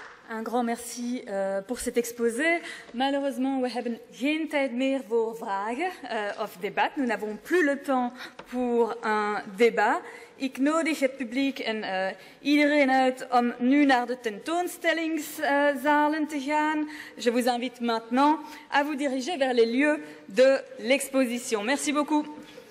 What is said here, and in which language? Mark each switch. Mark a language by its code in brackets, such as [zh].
[fr] Un grand merci pour cet exposé. Malheureusement, [nl] we haven't geen tijd meer voor vragen of debat. [fr] Nous n'avons plus le temps pour un débat. [nl] Ik nodig het publiek en iedereen uit om nu naar de tentoonstellingszalen te gaan. [fr] Je vous invite maintenant à vous diriger vers les lieux de l'exposition. Merci beaucoup.